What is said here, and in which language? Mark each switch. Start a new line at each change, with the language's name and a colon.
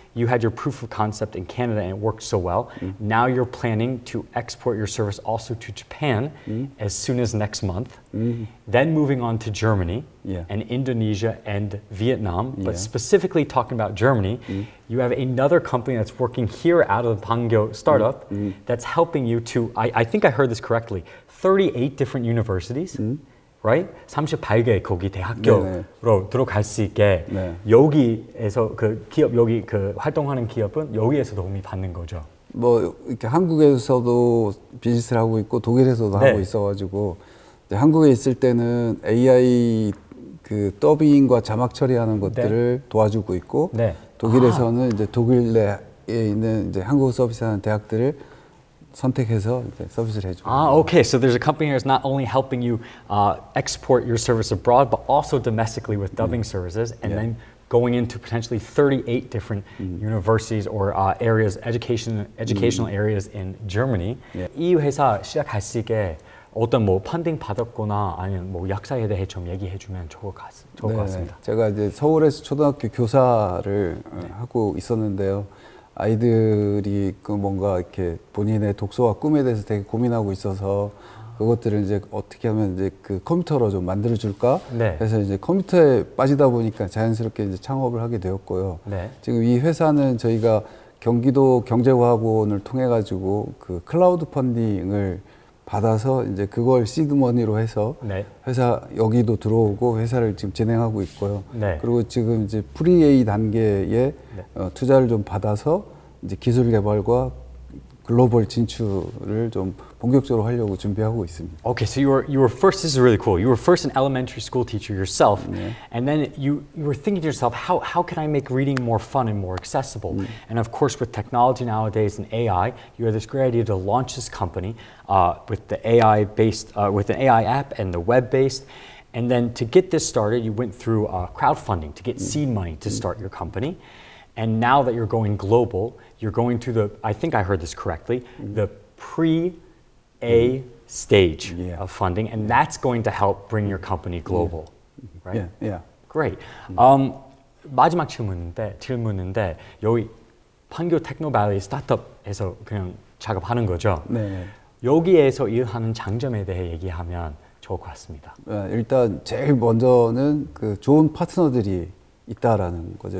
English: you had your proof of concept in Canada and it worked so well. Mm. Now you're planning to export your service also to Japan as soon as next month, then moving on to Germany and Indonesia and Vietnam, but specifically talking about Germany, you have another company that's working here out of the Pangyo startup that's helping you to, I think I heard this correctly, 38 different universities. Right?
Korean: 38개 거기 대학교로 네네. 들어갈 수 있게 네. 여기에서 그 기업 여기 그 활동하는 기업은 여기에서 도움이 받는 거죠. 뭐 이렇게 한국에서도 비즈니스를 하고 있고 독일에서도 하고 있어가지고 이제 한국에 있을 때는 AI 그 더빙과 자막 처리하는 것들을 도와주고 있고 독일에서는 이제 독일 내에 있는 이제 한국어 서비스하는 대학들을 선택해서 이제 서비스를 해줘요.
English: Ah, okay. So there's a company here that's not only helping you export your service abroad, but also domestically with dubbing services, and then going into potentially 38 different universities or areas, educational areas in Germany. Yeah.
Korean: 이 회사 시작할 수 있게 어떤 뭐 펀딩 받았거나 아니면 뭐 약사에 대해 좀 얘기해주면 좋을 것 같습니다. 제가 이제 서울에서 초등학교 교사를 하고 있었는데요. 아이들이 그 뭔가 이렇게 본인의 독서와 꿈에 대해서 되게 고민하고 있어서 그것들을 이제 어떻게 하면 이제 그 컴퓨터로 좀 만들어줄까? 그래서 이제 컴퓨터에 빠지다 보니까 자연스럽게 이제 창업을 하게 되었고요. 지금 이 회사는 저희가 경기도 경제과학원을 통해가지고 그 클라우드 펀딩을 받아서 이제 그걸 시드머니로 해서 회사 여기도 들어오고 회사를 지금 진행하고 있고요. 그리고 지금 이제 프리A 단계의 투자를 좀 받아서 이제 기술 개발과 글로벌 진출을 좀 본격적으로 하려고 준비하고 있습니다.
English: Okay, so you were first. This is really cool. You were first an elementary school teacher yourself, and then you were thinking to yourself, how can I make reading more fun and more accessible? And of course, with technology nowadays and AI, you have this great idea to launch this company with the AI based with an AI app and the web based. And then to get this started, you went through crowdfunding to get seed money to start your company. And now that you're going global, you're going to the, I think I heard this correctly, the pre-A stage of funding, and that's going to help bring your company global, right? Yeah. Great.
Korean: 마지막 질문인데, 여기 판교 테크노밸리 스타트업에서 그냥 작업하는 거죠? 네. 여기에서 일하는 장점에 대해 얘기하면 좋을 것 같습니다. 일단 제일 먼저는 그 좋은 파트너들이 있다라는 거죠.